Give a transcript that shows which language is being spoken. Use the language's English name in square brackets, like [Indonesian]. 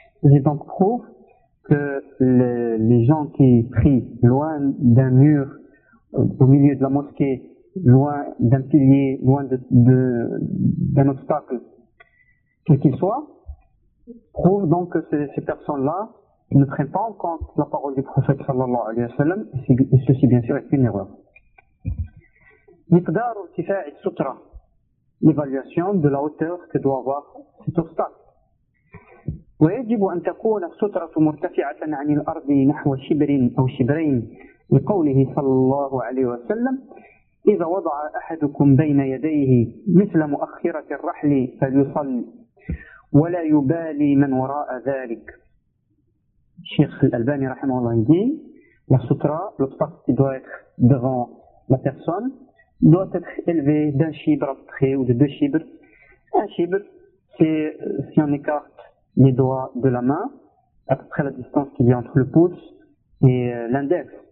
[French] J'ai donc prouvé que les gens qui prient loin d'un mur, au milieu de la mosquée, loin d'un pilier, loin d'un obstacle, quel qu'il soit, prouve donc que ces personnes-là ne prennent pas en compte la parole du prophète sallallahu alayhi wa sallam, et ceci bien sûr est une erreur. [Arabic] مقدار ارتفاع السترة, [French] l'évaluation de la hauteur que doit avoir cet obstacle. [Arabic] ويجب أن تكون السترة مرتفعة عن الأرض نحو شبر أو شبرين لقوله صلى الله عليه وسلم إذا وضع أحدكم بين يديه مثل مؤخرة الرحل فليصل ولا يبالي من وراء ذلك. الشيخ الألباني رحمه الله يقول [French] la sutra, l'obstacle qui doit être devant la personne, doit être élevé d'un chibre à peu près ou de deux chibres. Un chibre, c'est si on écarte les doigts de la main, à peu près la distance qu'il y a entre le pouce et l'index.